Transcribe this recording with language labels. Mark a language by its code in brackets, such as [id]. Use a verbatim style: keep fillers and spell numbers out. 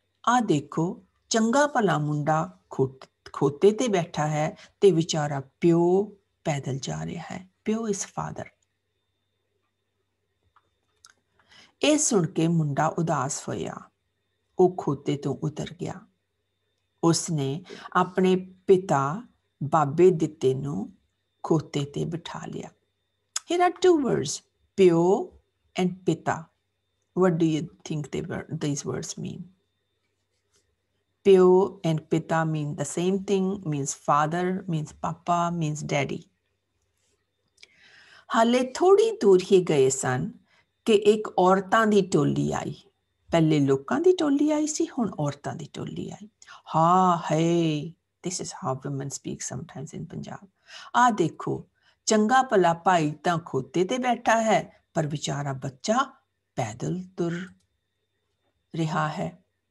[pa] ਆਹ ਦੇਖੋ, ਚੰਗਾ ਭਲਾ ਮੁੰਡਾ ਖੋਟ ਖੋਤੇ ਤੇ ਬੈਠਾ ਹੈ ਤੇ ਵਿਚਾਰਾ ਪਿਓ ਪੈਦਲ ਜਾ ਰਿਹਾ ਹੈ। ਪਿਓ ਇਸ ਫਾਦਰ। ਇਹ ਸੁਣ ਕੇ ਮੁੰਡਾ ਉਦਾਸ ਹੋਇਆ। ਉਹ ਖੋਤੇ ਤੋਂ ਉਤਰ ਗਿਆ। ਉਸਨੇ ਆਪਣੇ ਪਿਤਾ ਬਾਬੇ ਦਿੱਤੇ ਨੂੰ ਖੋਤੇ ਤੇ ਬਿਠਾ ਲਿਆ। [en] Here are two words, pyo and pita. What do you think they were, these words mean? Pyo and pita mean the same thing, means father, means papa, means daddy. [pa] ਹਾਲੇ ਥੋੜੀ ਦੂਰ ਹੀ ਗਏ ਸਨ ਕਿ ਇੱਕ ਔਰਤਾਂ ਦੀ ਟੋਲੀ ਆਈ। ਪਹਿਲੇ ਲੋਕਾਂ ਦੀ ਟੋਲੀ ਆਈ ਸੀ, ਹੁਣ ਔਰਤਾਂ ਦੀ ਟੋਲੀ ਆਈ। ਹਾਂ ਹੈ, [en] this is how women speak sometimes in Punjab. [pa] ਆ ਦੇਖੋ, ਚੰਗਾ ਭਲਾ ਭਾਈ ਤਾਂ ਖੋਤੇ ਤੇ ਬੈਠਾ ਹੈ ਪਰ ਵਿਚਾਰਾ ਬੱਚਾ ਪੈਦਲ ਤੁਰ ਰਿਹਾ ਹੈ।